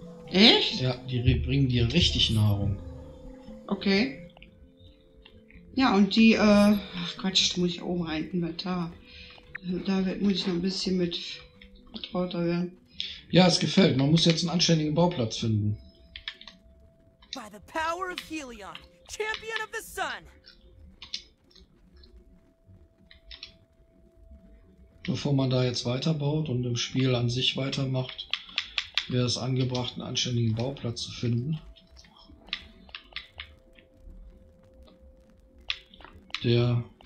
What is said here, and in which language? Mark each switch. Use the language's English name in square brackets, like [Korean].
[German] Echt? Ja, die bringen dir richtig Nahrung. Okay. Ja, und die, ach Quatsch, da muss ich oben rein, Inventar. Da muss ich noch ein bisschen mit vertrauter werden. Ja, es gefällt. Man muss jetzt einen anständigen Bauplatz finden. [English] By the power of Helion, champion of the sun. [German] Bevor man da jetzt weiterbaut und im Spiel an sich weitermacht, wäre es angebracht, einen anständigen Bauplatz zu finden. Der...